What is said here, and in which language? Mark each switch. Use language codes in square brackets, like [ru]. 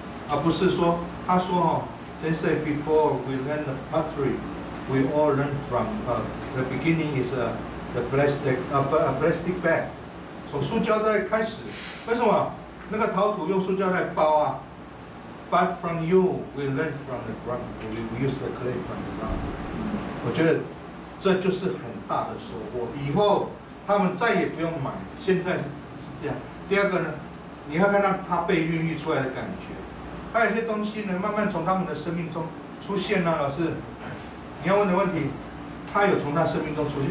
[zh] 而不是说，他说哦，先生 [en] ，before we learn the pottery， we all learn from the beginning is a plastic bag， [zh] 从塑胶袋开始。为什么？那个陶土用塑胶袋包啊。 [en] But from you， we learn from the ground， we use the clay from the ground。 [zh] 我觉得这就是很大的收获。以后他们再也不用买，现在是这样。第二个呢，你要看到它被孕育出来的感觉。还有些东西呢，慢慢从他们的生命中出现了、啊。老师，你要问的问题，他有从他生命中出现？